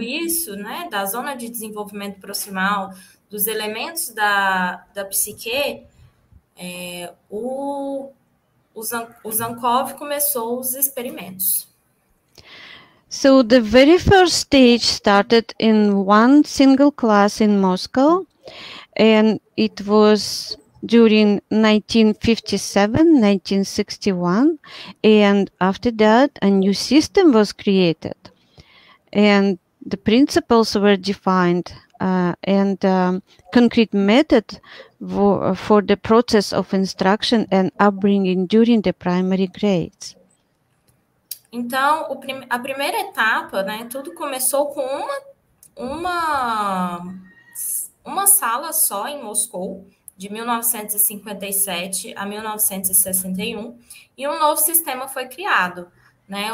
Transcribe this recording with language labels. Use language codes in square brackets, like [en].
[pt] isso, né, da zona de desenvolvimento proximal, dos elementos da psique, o Zankov começou os experimentos. [en] So the very first stage started in one single class in Moscow, and it was during 1957, 1961, and after that a new system was created, and the principles were defined, and concrete method for the process of instruction and upbringing during the primary grades. [pt] Então, a primeira etapa, né, tudo começou com uma sala só em Moscou, de 1957 a 1961, e um novo sistema foi criado, né?